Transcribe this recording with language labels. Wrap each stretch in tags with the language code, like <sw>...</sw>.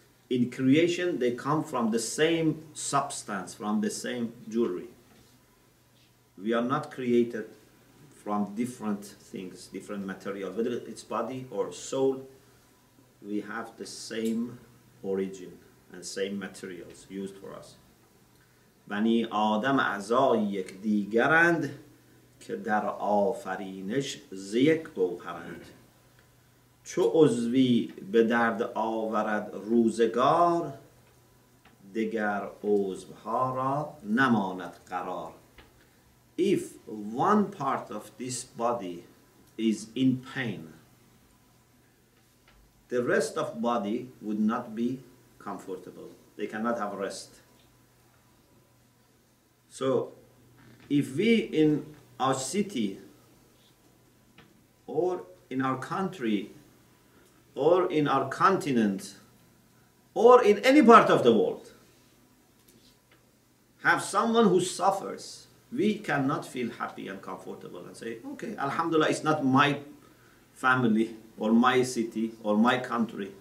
<en>In creation, they come from the same substance, from the same jewelry. We are not created from different things, different material, whether it's body or soul, we have the same origin and same materials used for us.</en> <fa>بنی آدم اعضای یک دیگرند که در آفرینش ز یک گوهرند. چو عضوی به درد آورد روزگار، دیگر عضوها را نماند قرار.</fa> <en>If one part of this body is in pain, the rest of body would not be comfortable. They cannot have rest. So if we in our city or in our country or in our continent or in any part of the world have someone who suffers, we cannot feel happy and comfortable and say, okay, alhamdulillah, it's not my family or my city or my country.</en>